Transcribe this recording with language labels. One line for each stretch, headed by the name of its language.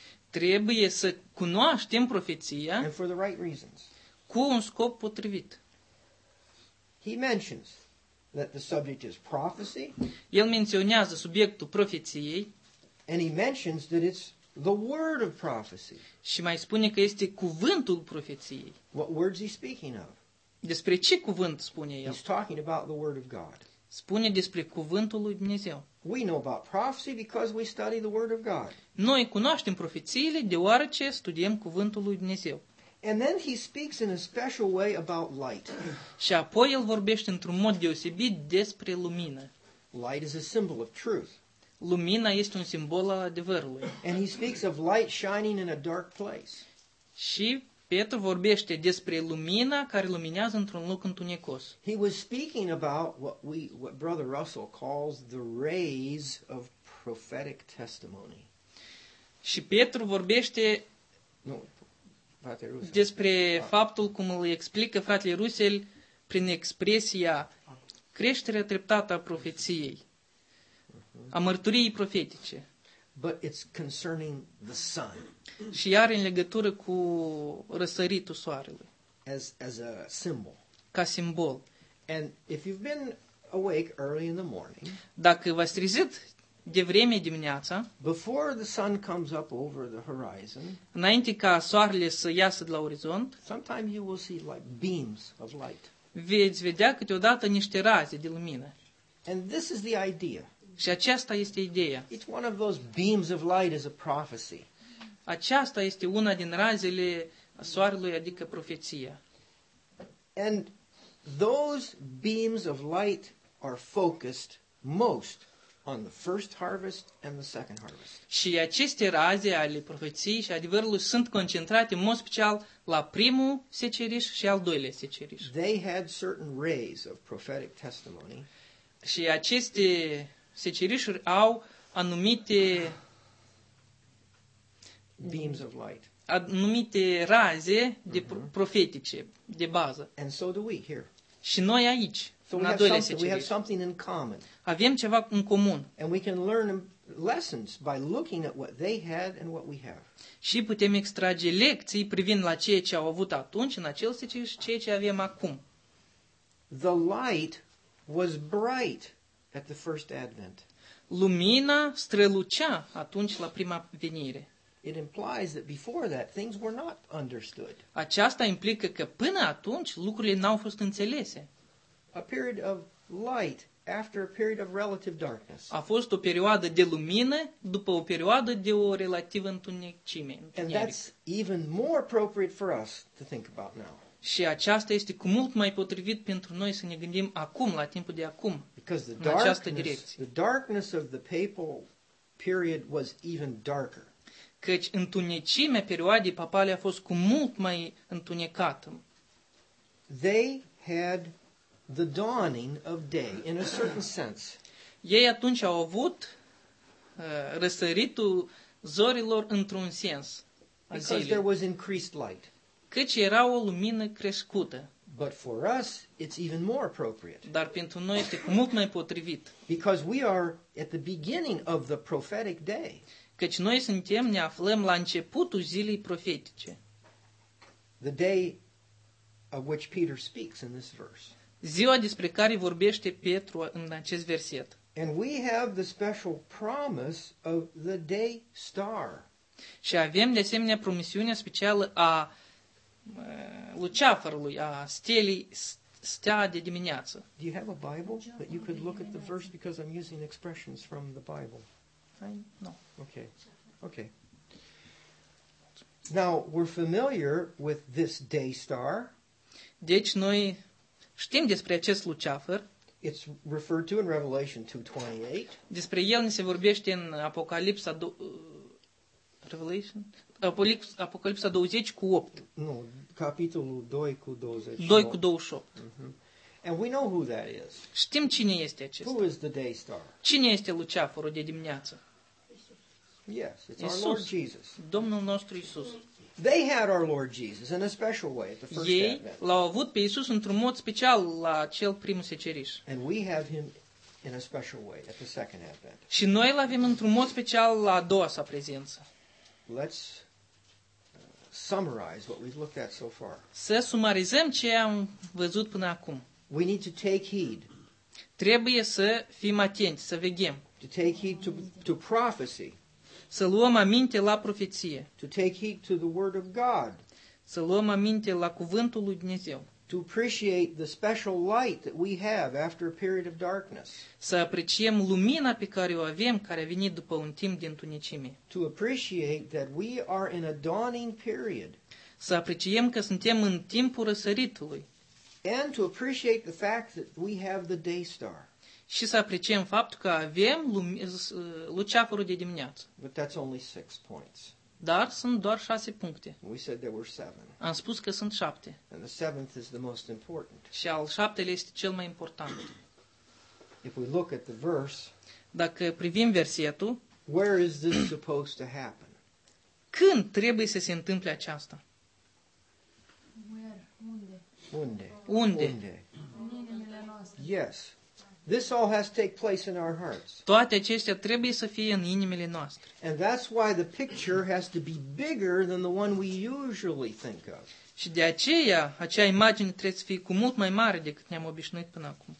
Romanian: Trebuie să cunoaștem profeția.
English: And for the right reasons.
Romanian: Cu un scop potrivit.
English: He mentions that the subject is prophecy.
Romanian: El menționează subiectul profeției.
English: And he mentions that it's the word of prophecy.
Romanian: Și mai spune că este cuvântul profeției.
English: What words he speaking of?
Romanian: Despre ce cuvânt spune el?
English: He's talking about the word of God.
Romanian: Spune despre cuvântul lui Dumnezeu.
English: We know about prophecy because we study the word of God.
Romanian: Noi cunoaștem profețiile deoarece studiem cuvântul lui Dumnezeu.
English: And then he speaks in a special way about light.
Romanian: Și apoi el vorbește într-un mod deosebit despre lumină.
English: Light is a symbol of truth.
Romanian: Lumina este un simbol al adevărului.
English: And he speaks of light shining in a dark place.
Romanian: Și Petru vorbește despre lumina care luminează într-un loc întunecos.
English: He was speaking about what Brother Russell calls the rays of prophetic testimony.
Romanian: Și Petru vorbește despre faptul cum îl explică fratele Russell prin expresia creșterea treptată a profeției, a mărturiei profetice.
English: But it's concerning the sun.
Romanian: Și are în legătură cu răsăritul soarelui.
English: As a symbol.
Romanian: Ca simbol.
English: And if you've been awake early in the morning,
Romanian: dacă v-ați trezit de vreme dimineața,
English: before the sun comes up over the horizon,
Romanian: înainte ca soarele să iasă de la orizont,
English: sometimes you will see like beams of light.
Romanian: Veți vedea câteodată niște raze de lumină.
English: And this is the idea.
Romanian: Și aceasta este ideea.
English: It's one of those beams of light as a prophecy.
Romanian: Aceasta este una din razele soarelui, adică profeția.
English: And those beams of light are focused most on the first harvest and the second harvest.
Romanian: Și aceste raze ale profeției și adevărului sunt concentrate în mod special la primul seceriș și al doilea seceriș.
English: They had certain rays of prophetic testimony.
Romanian: Și aceste secerișuri au anumite
English: beams of light.
Romanian: Anumite raze de profetice de bază.
English: And so do we here.
Romanian: Și noi aici,
English: so
Romanian: în a doilea seceriș.
English: We have something in common.
Romanian: Avem ceva în comun.
English: And we can learn lessons by looking at what they had and what we have.
Romanian: Și putem extrage lecții privind la ceea ce au avut atunci în acel seceriș și ceea ce avem acum.
English: The light was bright at the first advent.
Romanian: Lumina strălucea atunci la prima venire.
English: It implies that before that things were not understood.
Romanian: Aceasta implică că până atunci lucrurile n-au fost înțelese.
English: A period of light after a period of relative darkness.
Romanian: A fost o perioadă de lumină după o perioadă de o relativă întunecime.
English: And that's even more appropriate for us to think about now.
Romanian: Și aceasta este cu mult mai potrivit pentru noi să ne gândim acum, la timpul de acum, în această direcție.
English: The darkness of the papal period was even darker.
Romanian: Căci întunecimea perioadei papale a fost cu mult mai întunecată.
English: They had the dawning of day in a certain sense.
Romanian: Ei atunci au avut răsăritul zorilor într-un sens.
English: Because there was increased light.
Romanian: Căci era o lumină crescută.
English: But for us, it's even more appropriate.
Romanian: Dar pentru noi este cu mult mai potrivit.
English: Because we are at the beginning of the prophetic day.
Romanian: Căci noi suntem, ne aflăm la începutul zilei profetice.
English: The day of which Peter speaks in this verse.
Romanian: Ziua despre care vorbește Petru în acest verset.
English: And we have the special promise of the day star.
Romanian: Și avem de asemenea promisiunea specială a luceafărului, a stelei, stea de dimineață.
English: Do you have a Bible that you could look at the verse because I'm using expressions from the Bible? No. Okay. Now, we're familiar with this day star.
Romanian: Deci, noi știm despre acest luceafăr.
English: It's referred to in Revelation 2:28.
Romanian: Despre el ne se vorbește în Apocalipsa
English: Revelation?
Romanian: Apocalipsa 20 cu 8. Nu, capitolul 2 cu 28. 2 cu 28.
English: And we know who that is.
Romanian: Știm cine este acesta.
English: Who is the day star?
Romanian: Cine este luceafărul de dimineață?
English: Yes, it's Isus, our Lord Jesus.
Romanian: Domnul nostru Isus.
English: They had our Lord Jesus in a special way at the first advent.
Romanian: Ei l-au avut pe Isus într-un mod special la cel prim seceriș.
English: And we have him in a special way at the second advent.
Romanian: Și noi l-avem într-un mod special la a doua sa prezență.
English: Let's summarize what we've looked at so far.
Romanian: Să sumarizăm ce am văzut până acum.
English: We need to take heed.
Romanian: Trebuie să fim atenți, să veghem.
English: To take heed to prophecy.
Romanian: Să luăm aminte la profeție.
English: To take heed to the word of God.
Romanian: Să luăm aminte la cuvântul lui Dumnezeu.
English: To appreciate the special light that we have after a period of darkness.
Romanian: Să apreciem lumina pe care o avem, care a venit după un timp de întunecime.
English: To appreciate that we are in a dawning period.
Romanian: Să apreciem că suntem în timpul răsăritului.
English: And to appreciate the fact that we have the day star.
Romanian: Și să apreciem faptul că avem luceafărul de dimineață.
English: But that's only 6 points.
Romanian: Dar sunt doar 6 puncte.
English: We said there were 7.
Romanian: Am spus că sunt 7.
English: And the seventh is the most important.
Romanian: Și al șaptelea este cel mai important.
English: If we look at the verse,
Romanian: dacă privim versetul,
English: where is this supposed to happen?
Romanian: Când trebuie să se întâmple aceasta? Unde? Unde? Unde?
English: Yes. This all has to take place in our hearts.
Romanian: Toate acestea trebuie să fie în inimile noastre.
English: And that's why the picture has to be bigger than the one we usually think of.
Romanian: Și de aceea, acea imagine trebuie să fie cu mult mai mare decât ne-am obișnuit până acum.